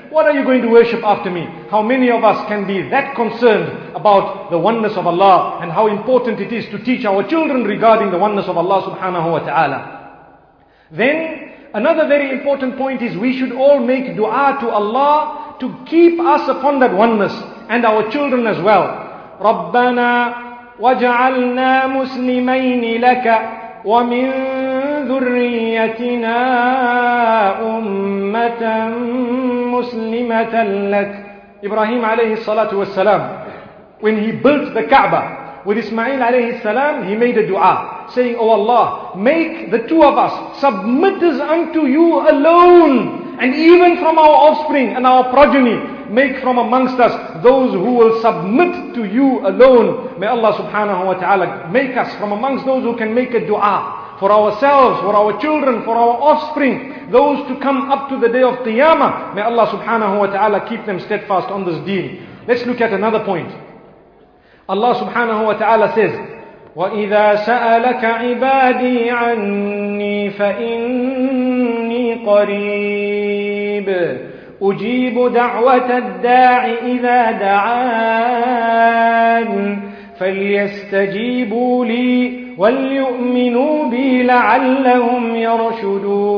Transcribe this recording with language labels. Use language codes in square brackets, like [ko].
[en] What are you going to worship after me? How many of us can be that concerned about the oneness of Allah, and how important it is to teach our children regarding the oneness of Allah subhanahu wa ta'ala? Then, another very important point is we should all make dua to Allah to keep us upon that oneness, and our children as well. [ar] ربنا وجعلنا مسلمين لك ومن ذريتنا أمة مسلمة لك. [en] Ibrahim alayhi salatu was salam, when he built the Kaaba with Ismail alayhi salam, he made a dua saying, O Allah, make the two of us submitters unto you alone, and even from our offspring and our progeny, make from amongst us those who will submit to you alone. May Allah subhanahu wa ta'ala make us from amongst those who can make a dua for ourselves, for our children, for our offspring, those to come up to the day of Qiyamah. May Allah subhanahu wa ta'ala keep them steadfast on this deen. Let's look at another point. Allah subhanahu wa ta'ala says, [ar] وَإِذَا سَأَلَكَ عِبَادِي عَنِّي فَإِنِّي قَرِيبٌ أجيب دعوة الداعي إذا دعان فليستجيبوا لي وليؤمنوا بي لعلهم يرشدون.